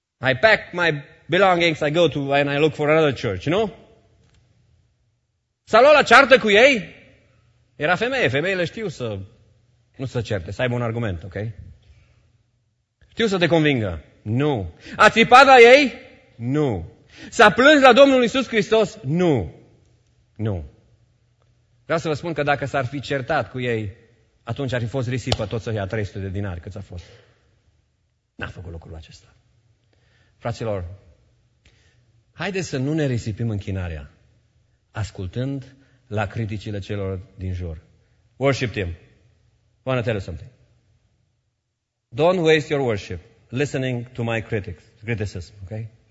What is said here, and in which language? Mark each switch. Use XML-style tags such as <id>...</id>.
<en>I pack my belongings, I go to and I look for another church, you know?</en> <ro>S-a luat la ceartă cu ei? Era femeie, femeile știu să nu se certe, să aibă un argument, ok? Știu să te convingă. Nu. A țipat la ei? Nu. S-a plâns la Domnul Iisus Hristos? Nu. Nu. Vreau să vă spun că dacă s-ar fi certat cu ei, atunci ar fi fost risipă tot să ia 300 de dinari cât a fost. N-a făcut lucrul acesta. Fraților, haideți să nu ne risipim închinarea, ascultând la criticile celor din jur.</ro> <en>Worship team, I want to tell you something. Don't waste your worship listening to my criticism, okay?</en>